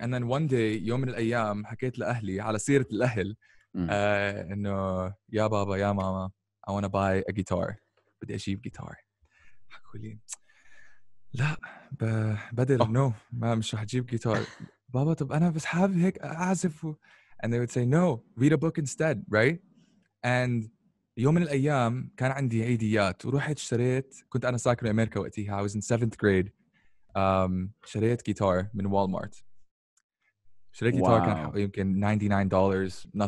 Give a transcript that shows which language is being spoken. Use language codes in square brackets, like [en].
[ar] And then one day, يوم من الأيام, حكيت لأهلي على سيرة الأهل, إنه يا بابا يا ماما, [en] I want to buy a guitar. [ar] بدي أجيب guitar. حكوا لي لا بدل no, ما مش رح أجيب guitar. بابا طب أنا بس حابب هيك أعزف. [en] And they would say no, read a book instead, right? [ar] And يوم من الأيام كان عندي عيديات وروحت اشتريت, كنت أنا ساكن في أمريكا وقتها, [en] I was in 7th grade. [ar] شريت جيتار من Walmart. شريت جيتار كان يمكن $99, nothing.